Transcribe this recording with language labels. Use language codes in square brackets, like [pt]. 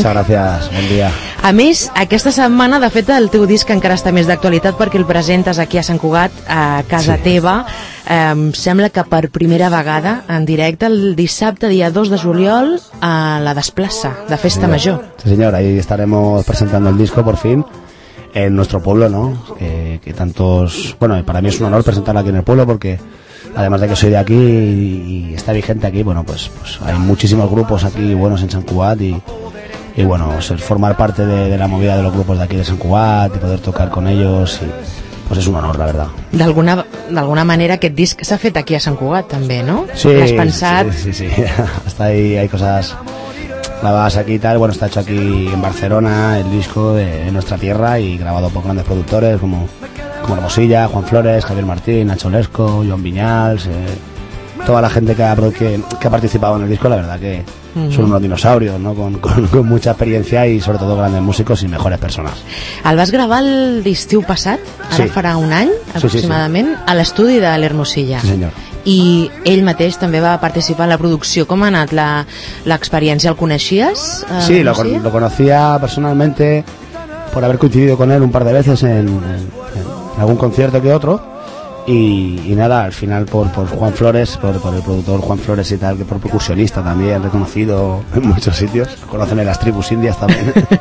[ca] Moltes gràcies, bon dia. A més, aquesta setmana, de fet, el teu disc encara està més d'actualitat perquè el presentes aquí a Sant Cugat, a casa teva. Sembla que per primera vegada en directe, el dissabte, dia 2 de juliol, a la Desplaça, de Festa Major. [es] Sí, senyora, ahí estaremos presentando el disco, por fin, en nuestro pueblo, ¿no? Que tantos... Bueno, para mí es un honor presentarlo aquí en el pueblo porque, además de que soy de aquí y está vigente aquí, bueno, pues hay muchísimos grupos aquí buenos en San Cugat y bueno, ser, formar parte de la movida de los grupos de aquí de San Cugat y poder tocar con ellos y... Pues es un honor, la verdad. [ca] D'alguna manera aquest disc s'ha fet aquí a Sant Cugat, també, no? Sí, pensat... sí. [es] Hasta ahí hay cosas grabadas aquí y tal. Bueno, está hecho aquí en Barcelona, el disco en nuestra tierra, y grabado por grandes productores como Hermosilla, Juan Flores, Javier Martín, Nacho Lesco, Joan Viñals, toda la gente que ha participado en el disco, la verdad que son unos dinosaurios, ¿no? Con mucha experiencia y sobre todo grandes músicos y mejores personas. [ca] El vas gravar el d'estiu passat, ara sí. Farà un any aproximadament, sí. A l'estudi de l'Hermosilla. Sí, senyor. I ell mateix també va participar en la producció. Com ha anat l'experiència? El coneixies? [es] Sí, lo conocía personalmente por haber coincidido con él un par de veces en algún concierto que otro. Y nada, al final por Juan Flores, por el productor Juan Flores y tal, que por percusionista también, reconocido en muchos sitios, conocen en las tribus indias también.